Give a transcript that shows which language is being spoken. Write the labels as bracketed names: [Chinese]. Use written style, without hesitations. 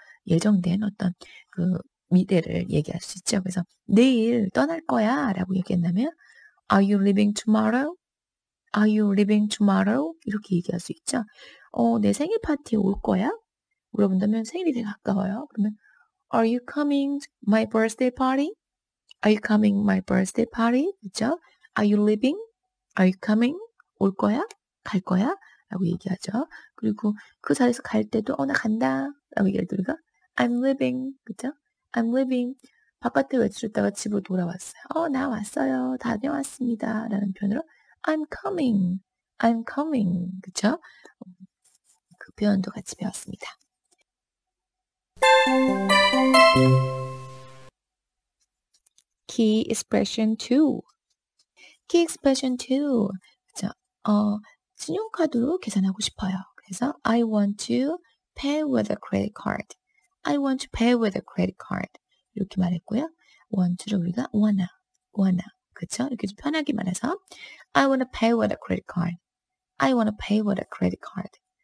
[Korean] 예정된 어떤 그 미래를 얘기할 수 있죠. 그래서 내일 떠날 거야 라고 얘기한다면 [English] Are you leaving tomorrow? Are you leaving tomorrow? [Korean] 이렇게 얘기할 수 있죠. 내 생일 파티에 올 거야? 물어본다면 생일이 되게 가까워요. 그러면 [English] Are you coming to my birthday party? Are you coming my birthday party? [Korean] 그렇죠? [English] Are you leaving? Are you coming? [Korean] 올 거야? 갈 거야? 라고 얘기하죠. 그리고 그 자리에서 갈 때도 나 간다. 라고 얘기할 때 우리가 [English] I'm leaving. [Korean] 그죠? I'm leaving. 바깥에 외출했다가 집으로 돌아왔어요. 나 왔어요. 다녀왔습니다. 라는 표현으로 [English] I'm coming. I'm coming. [Korean] 그죠? 그 표현도 같이 배웠습니다. [English] 키 익스프레션 2. 키 익스프레션 2. [Korean] 신용카드로 계산하고 싶어요. [English] 그래서 I want to pay with a credit card. I want to pay with a credit card. [Korean] 이렇게 말했고요. want를 우리가 wanna. 그렇죠? 이렇게 좀 편하게 말해서 [English] I want to pay with a credit card. I want to pay with a credit card.